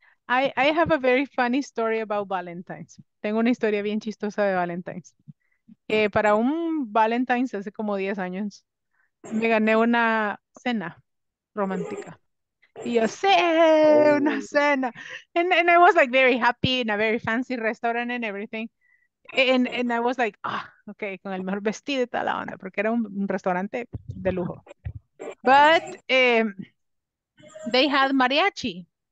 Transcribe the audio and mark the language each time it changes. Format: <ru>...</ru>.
<en>I have a very funny story about Valentine's.</en> <es>Tengo una historia bien chistosa de Valentine's. Para un Valentine's hace como 10 años, me gané una cena romántica. Y yo, sé, una cena.</es> <en>And I was like very happy in a very fancy restaurant and everything. And I was like, ah, okay,</en> <es>con el mejor vestido y toda la onda, porque era un restaurante de lujo.</es> <en>But they had mariachi.</en>